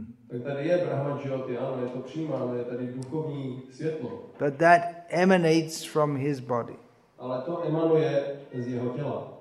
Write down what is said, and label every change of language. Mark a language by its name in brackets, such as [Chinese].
[Czech] Tak tady je Brahma Jyoti, ano, je to přijímáno, je tady duchovní světlo. [English] But that emanates from his body. [Czech] Ale to emanuje z jeho těla.